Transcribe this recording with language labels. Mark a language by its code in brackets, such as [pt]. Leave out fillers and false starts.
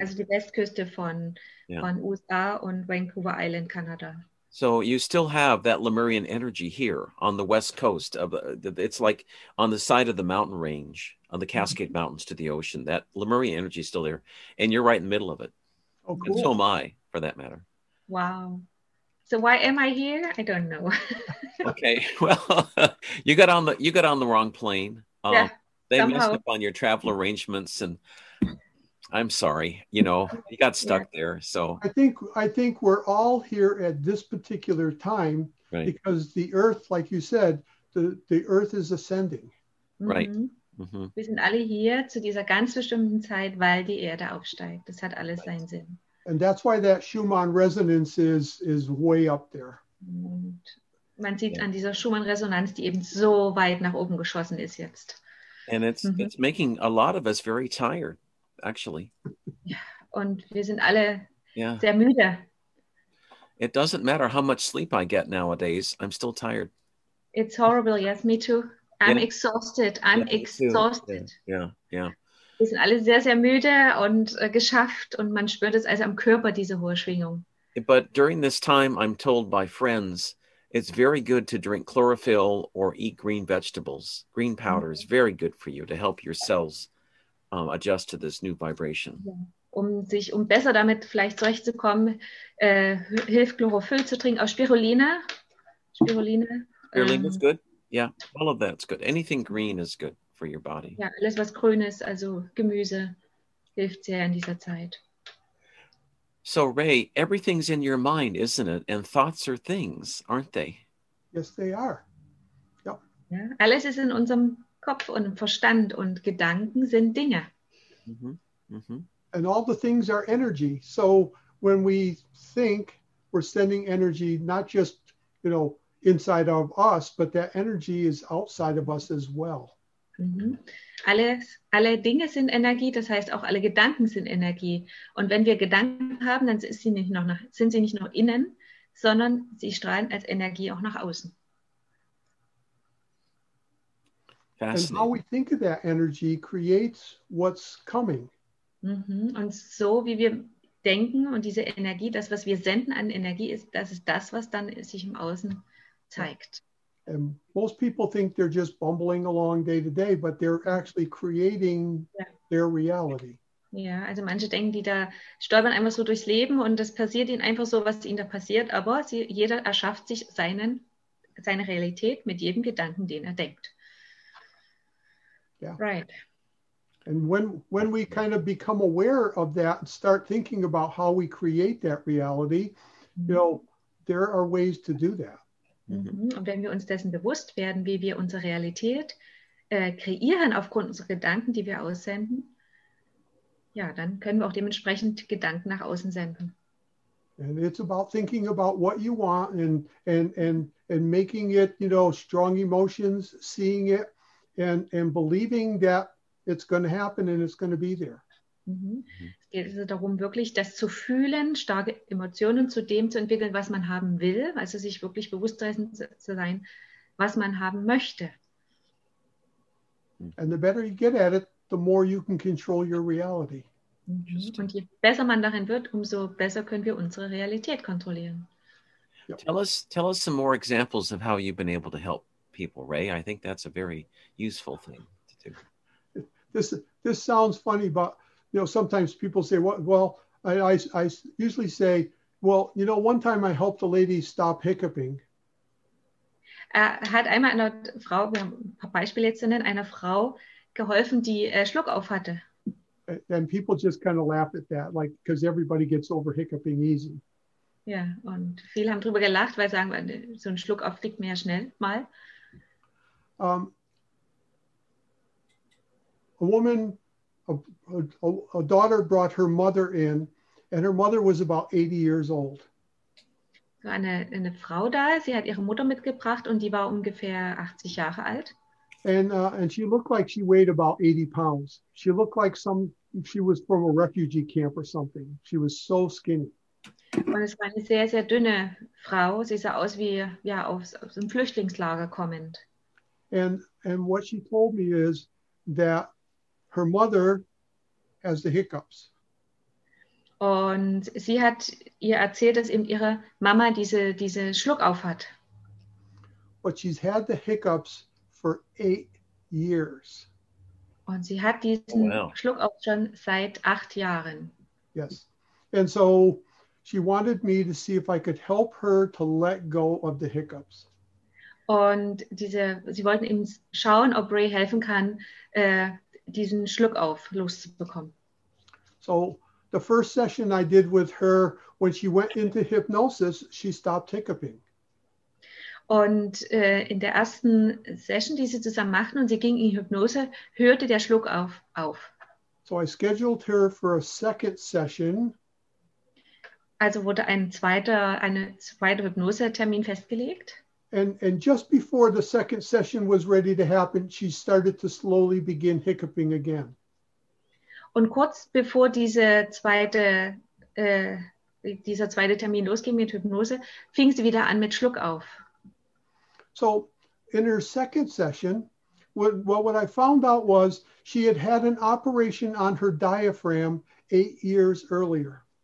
[de] Also die Westküste von USA und Vancouver Island, Kanada. [en] So you still have that Lemurian energy here on the west coast of it's like on the side of the mountain range, on the Cascade mm-hmm. Mountains to the ocean. That Lemurian energy is still there, and you're right in the middle of it. Oh, cool. And so am I, for that matter. Wow. So why am I here? I don't know. Okay. Well, you got on the wrong plane. They somehow messed up on your travel arrangements, and I'm sorry, you know, you got stuck there. So I think we're all here at this particular time, right, because the earth, like you said, the earth is ascending. Right. [de] Mm-hmm. Wir sind alle hier zu dieser ganz bestimmten Zeit, weil die Erde aufsteigt. Das hat alles [en] right. [de] seinen Sinn. [en] And that's why that Schumann resonance is way up there. [de] Und man sieht [en] yeah. [de] an dieser Schumann Resonanz, die eben so weit nach oben geschossen ist jetzt. [en] And it's mm-hmm. it's making a lot of us very tired. Actually, [de] und wir sind alle sehr müde. [en] It doesn't matter how much sleep I get nowadays, I'm still tired. It's horrible, yes, me too. I'm exhausted. Yeah. [de] Wir sind alle sehr, sehr müde und geschafft, und man spürt es also am Körper, diese hohe Schwingung. [en] But during this time, I'm told by friends, it's very good to drink chlorophyll or eat green vegetables. Green powder mm-hmm. is very good for you to help your cells adjust to this new vibration. [de] Um besser damit vielleicht zurechtzukommen, hilft Chlorophyll zu trinken, auch Spirulina. [en] Spirulina is good. Yeah, all of that's good. Anything green is good for your body. [de] Ja, alles was grün ist, also Gemüse, hilft sehr in dieser Zeit. [en] So Ray, everything's in your mind, isn't it? And thoughts are things, aren't they? Yes, they are. Yep. [de] Ja, alles ist in unserem Kopf und Verstand, und Gedanken sind Dinge. [en] And all the things are energy. So when we think, we're sending energy not just, you know, inside of us, but that energy is outside of us as well. Mm-hmm. [de] Alle Dinge sind Energie, das heißt auch alle Gedanken sind Energie. Und wenn wir Gedanken haben, dann sind sie nicht nur innen, sondern sie strahlen als Energie auch nach außen. [en] Fascinating. And how we think of that energy creates what's coming. Mm-hmm. [de] Und so wie wir denken und diese Energie, das was wir senden an Energie, ist das ist das, was dann sich im Außen zeigt. [en] And most people think they're just bumbling along day to day, but they're actually creating their reality. [de] Ja, also manche denken, die da stolpern einfach so durchs Leben und das passiert ihnen einfach so, was ihnen da passiert, aber jeder erschafft sich seine Realität mit jedem Gedanken, den er denkt. [en] Yeah. Right. And when we kind of become aware of that and start thinking about how we create that reality, you know, there are ways to do that. Mm-hmm. [de] Und wenn wir uns dessen bewusst werden, wie wir unsere Realität kreieren aufgrund unserer Gedanken, die wir aussenden, ja, dann können wir auch dementsprechend Gedanken nach außen senden. [en] And it's about thinking about what you want and making it, you know, strong emotions, seeing it. And believing that it's going to happen and it's going to be there. Mm-hmm. [de] Es geht also darum, wirklich das zu fühlen, starke Emotionen zu dem zu entwickeln, was man haben will, also sich wirklich bewusst dessen zu sein, was man haben möchte. [en] And the better you get at it, the more you can control your reality. Mm-hmm. [de] Und je besser man darin wird, umso besser können wir unsere Realität kontrollieren. [en] Yep. Tell us some more examples of how you've been able to help people, Ray. I think that's a very useful thing to do. This sounds funny, but you know, sometimes people say, I usually say, well, you know, one time I helped a lady stop hiccuping. [de] Hat einmal einer Frau, wir haben ein paar Beispiele jetzt zu nennen, einer Frau geholfen, die Schluck auf hatte. [en] And people just kind of laugh at that, like, because everybody gets over hiccuping easy. [de] Ja, und viele haben drüber gelacht, weil sagen, so ein Schluck auf kriegt man ja schnell mal. [en] A woman, a daughter brought her mother in, and her mother was about 80 years old. [de] So eine Frau da, sie hat ihre Mutter mitgebracht und die war ungefähr 80 Jahre alt. [en] And she looked like she weighed about 80 pounds. She looked like she was from a refugee camp or something. She was so skinny. [de] Und es war eine sehr, sehr dünne Frau. Sie sah aus wie, ja, aus einem Flüchtlingslager kommend. [en] And what she told me is that her mother has the hiccups. [de] Und sie hat ihr erzählt, dass eben ihre Mama diese Schluckauf hat. [en] But she's had the hiccups for 8 years. [de] Und sie hat diesen Schluckauf schon seit 8 Jahren. [en] Yes. And so she wanted me to see if I could help her to let go of the hiccups. [de] Und sie wollten eben schauen, ob Ray helfen kann, diesen Schluckauf loszubekommen. [en] So the first session I did with her, when she went into hypnosis, she stopped hiccuping. [de] Und in der ersten Session, die sie zusammen machten und sie ging in Hypnose, hörte der Schluck auf. [en] So I scheduled her for a second session. [de] Also wurde ein zweiter Hypnosetermin festgelegt. [en] And just before the second session was ready to happen, she started to slowly begin hiccuping again. [de] Und kurz bevor dieser zweite Termin losging mit Hypnose, fing sie wieder an mit Schluck auf. [en] So in her second session, what I found out was she had had an operation on her diaphragm 8 years earlier.